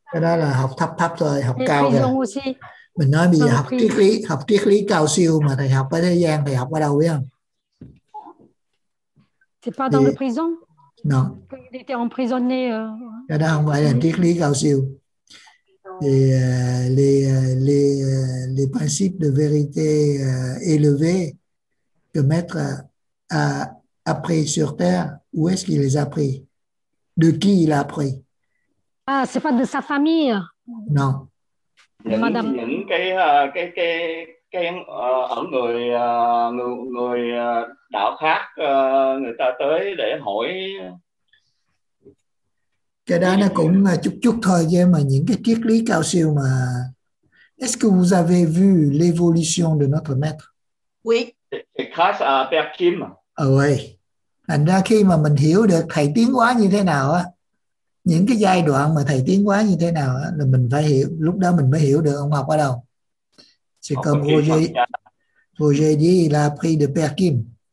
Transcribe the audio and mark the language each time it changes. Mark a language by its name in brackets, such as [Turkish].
[Vietnamese] Cái đó là học thấp thấp thôi, học cao thôi. [French] Et prison aussi. [Vietnamese] Mình nói bây giờ học triết lý cao siêu mà thầy học ở thế gian, thầy học ở đâu biết không? [French] C'est pas dans le prison? Non. Il était emprisonné. [Vietnamese] Cái đó không phải là triết lý cao siêu. [French] Les principes de vérité élevés que maître a appris sur terre, où est-ce qu'il les a appris? De qui il a appris? Ah, c'est pas de sa famille? Non. [Vietnamese] Những cái ở người đạo khác người ta tới để hỏi cái đó nó cũng chút chút thôi, nhưng mà những cái triết lý cao siêu mà. [French] Est-ce que vous avez vu l'évolution de notre maître? Oui. C'est grâce à Père Kim. Ah oui. [Vietnamese] Thành ra khi mà mình hiểu được thầy tiến hóa như thế nào á, những cái giai đoạn mà thầy tiến hóa như thế nào đó, là mình phải hiểu, lúc đó mình mới hiểu được ông học ở đâu. [French] C'est comme Roger dit, il a appris de Père Kim.